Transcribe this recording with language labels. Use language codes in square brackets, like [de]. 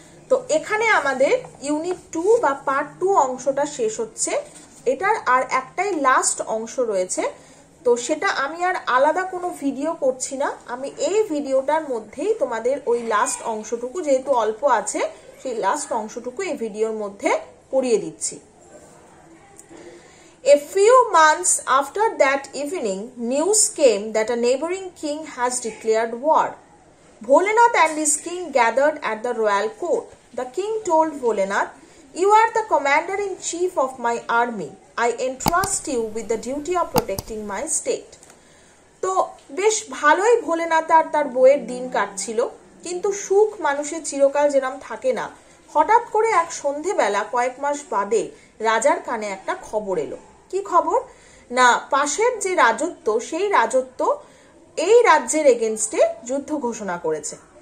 [bn] তো এখানে আমাদের ইউনিট টু বা পার্ট টু অংশটা শেষ হচ্ছে, এটার আর একটাই লাস্ট অংশ রয়েছে। তো সেটা আমি আর আলাদা কোনো ভিডিও করছি না, আমি এই ভিডিওটার মধ্যেই তোমাদের ওই লাস্ট অংশটুকু, যেহেতু অল্প আছে সেই লাস্ট অংশটুকু এই ভিডিওর মধ্যে পড়িয়ে দিচ্ছি। [en] A few months after that evening, news came that a neighboring king has declared war. Bholenath and his king gathered at the royal court. The king told Bholenath, "You are the commander-in-chief of my army. I entrust you with the duty of protecting my state." [bn] তো বেশ ভালোই ভোলেনাথ আর তার বউয়ের দিন কাটছিল, কিন্তু সুখ মানুষের চিরকাল যেরম থাকে না, হঠাৎ করে এক সন্ধেবেলা কয়েক মাস বাদে রাজার কানে একটা খবর এলো। কি খবর? না, পাশের যে রাজত্ব সেই রাজত্ব এই রাজ্যের এগেনস্টে যুদ্ধ ঘোষণা করেছে।